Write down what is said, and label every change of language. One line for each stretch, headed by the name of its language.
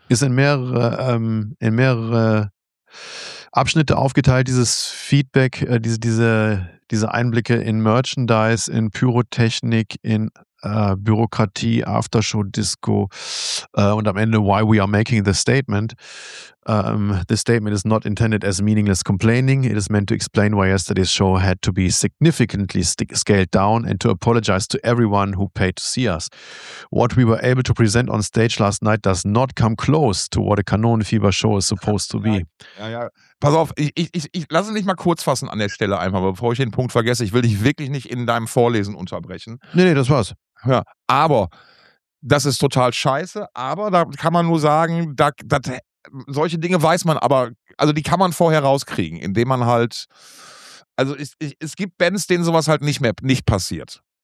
German: Ist in mehrere Abschnitte aufgeteilt, dieses Feedback, diese Einblicke in Merchandise, in Pyrotechnik, in Bürokratie, Aftershow-Disco und am Ende
English: why we are making the statement. This statement is not intended as meaningless complaining. It is meant to explain why yesterday's show had to be significantly scaled down and to apologize to everyone who paid to see us. What we were able to present on stage last night does not come close to what a Kanonenfieber show is supposed to be.
German: Ja. Pass auf, ich lasse mich mal kurz fassen an der Stelle einfach, bevor ich den Punkt vergesse. Ich will dich wirklich nicht in deinem Vorlesen unterbrechen. Nee, das war's. Ja, aber das ist total scheiße, aber da kann man nur sagen, das solche Dinge weiß man, aber also die kann man vorher rauskriegen, indem man halt, also es gibt Bands, denen sowas halt nicht passiert.